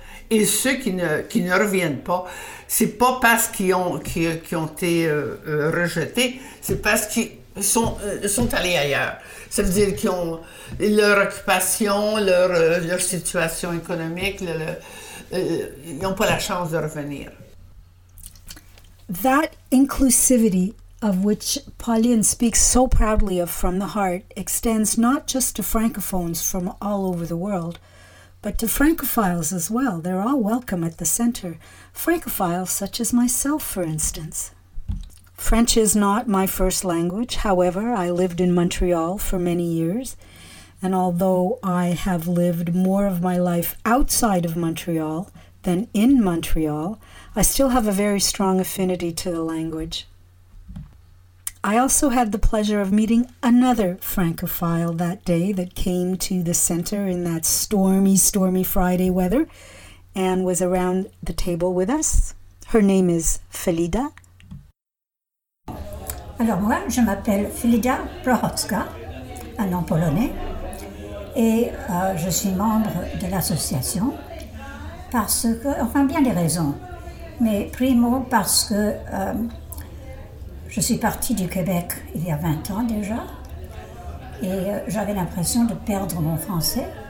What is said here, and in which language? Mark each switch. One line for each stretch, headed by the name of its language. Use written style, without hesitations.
French: Et ceux qui ne reviennent pas, c'est pas parce qu'ils ont été rejetés, c'est parce qu'ils sont allés ailleurs. Ça veut dire qu'ils ont leur occupation, leur situation économique, ils n'ont pas la chance de revenir.
English: That inclusivity of which Pauline speaks so proudly of from the heart extends not just to francophones from all over the world, but to francophiles as well. They're all welcome at the center. Francophiles such as myself, for instance. French is not my first language. However, I lived in Montreal for many years. And although I have lived more of my life outside of Montreal than in Montreal, I still have a very strong affinity to the language. I also had the pleasure of meeting another francophile that day that came to the center in that stormy, stormy Friday weather and was around the table with us. Her name is Felida.
French: Alors moi, je m'appelle Felida Prochotska, un nom polonais, et je suis membre de l'association parce que, enfin bien des raisons, mais primo parce que je suis partie du Québec il y a 20 ans déjà et j'avais l'impression de perdre mon français.